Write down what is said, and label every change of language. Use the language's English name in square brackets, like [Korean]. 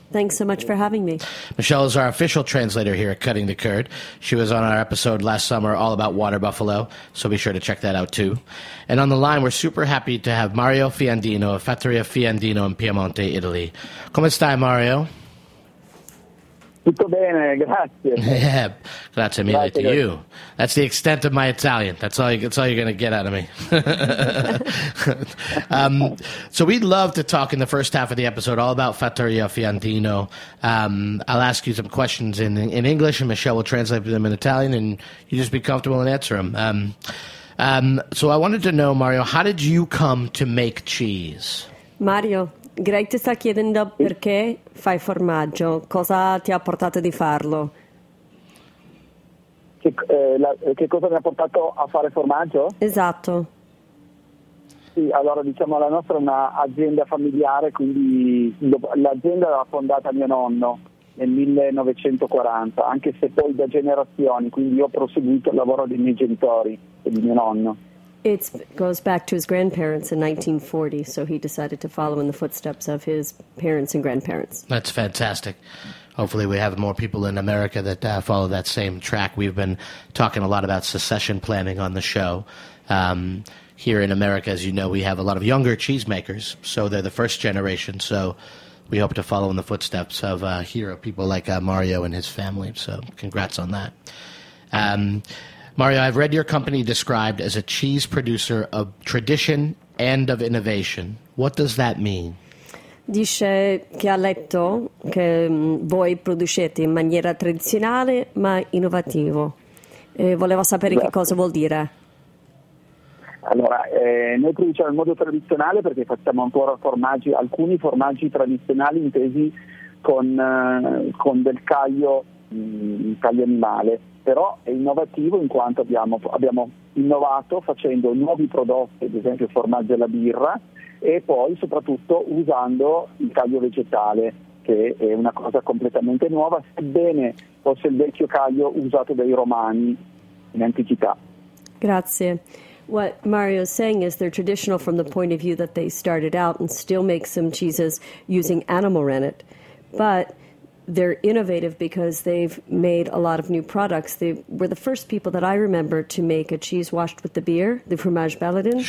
[English] Thanks so much for having me. Michele is our official translator here at Cutting the Curd. She was on our episode last summer all about water buffalo, so be sure to check that out too. And on the line, we're super happy to have Mario Fiandino of Fattorie Fiandino in Piemonte, Italy. [Italian] Come stai, Mario? Tutto bene, grazie. [English] Yeah, [Italian] grazie mille grazie, to grazie. You. [English] That's the extent of my Italian. That's all you're going to get out of me. So we'd love to talk in the first half of the episode all about Fattorie Fiandino. I'll ask you some questions in English, and Michele will translate them in Italian, and you just be comfortable and answer them. So I wanted to know, Mario, how did you come to make cheese? [Italian] Mario, Greg ti sta chiedendo perché fai formaggio, cosa ti ha portato di farlo? Che cosa mi ha portato a fare formaggio? Esatto. Sì, allora diciamo la nostra è un'azienda familiare, quindi l'azienda l'ha fondata mio nonno nel 1940, anche se poi da generazioni, quindi io ho proseguito il lavoro dei miei genitori e di mio nonno. [English] It goes back to his grandparents in 1940, so he decided to follow in the footsteps of his parents and grandparents. That's fantastic. Hopefully we have more people in America that follow that same track. We've been talking a lot about succession planning on the show. Here in America, as you know, we have a lot of younger cheesemakers, so they're the first generation, so we hope to follow in the footsteps of hero people like Mario and his family, so congrats on that. Mario, I've read your company described as a cheese producer of tradition and of innovation. What does that mean? [Italian] Dice che ha letto che voi producete in maniera tradizionale ma innovativo. E volevo sapere che cosa vuol dire. Allora, noi produciamo in modo tradizionale perché facciamo ancora formaggi, alcuni formaggi tradizionali intesi con del caglio animale. però è innovativo in quanto abbiamo innovato facendo nuovi prodotti, ad esempio il formaggio e la birra, e poi soprattutto usando il caglio vegetale, che è una cosa completamente nuova, sebbene fosse il vecchio caglio usato dai romani in antichità. Grazie. [English] What Mario is saying is they're traditional from the point of view that they started out and still make some cheeses using animal rennet, but they're innovative because they've made a lot of new products. They were the first people that I remember to make a cheese washed with the beer, the fromage Belladin.